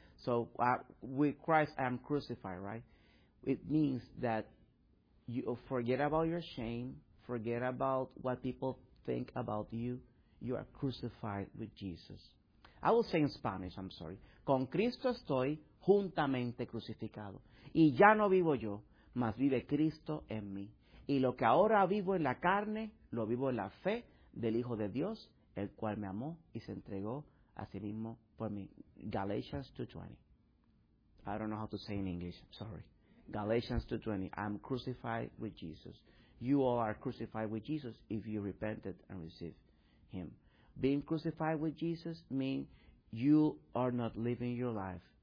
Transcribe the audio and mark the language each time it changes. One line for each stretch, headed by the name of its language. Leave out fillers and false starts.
English: So with Christ, I'm crucified, right? It means that you forget about your shame. Forget about what people think about you. You are crucified with Jesus. I will say in Spanish, I'm sorry.
Spanish: Con Cristo estoy juntamente crucificado. Y ya no vivo yo, mas vive Cristo en mí. Y lo que ahora vivo en la carne, lo vivo en la fe del Hijo de Dios, el cual me amó y se entregó a sí mismo por mí.
English: Galatians 2:20. I don't know how to say in English. Sorry. Galatians 2:20, I'm crucified with Jesus. You all are crucified with Jesus if you repented and received him. Being crucified with Jesus means you are not living your life.